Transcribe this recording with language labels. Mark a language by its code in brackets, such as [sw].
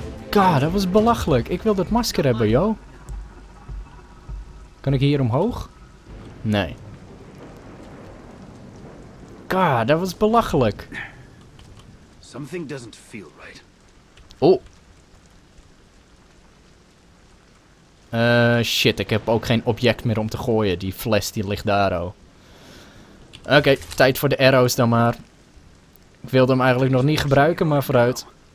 [nl] God, dat was belachelijk. Ik wil dat masker hebben, joh. Kan ik hier omhoog? Nee. God, dat was belachelijk. [en] Something doesn't feel right. Oh. [nl] Shit, ik heb ook geen object meer om te gooien. Die fles die ligt daar al. Oké, okay, tijd voor de arrows dan maar. Ik wilde hem eigenlijk nog niet gebruiken, maar vooruit.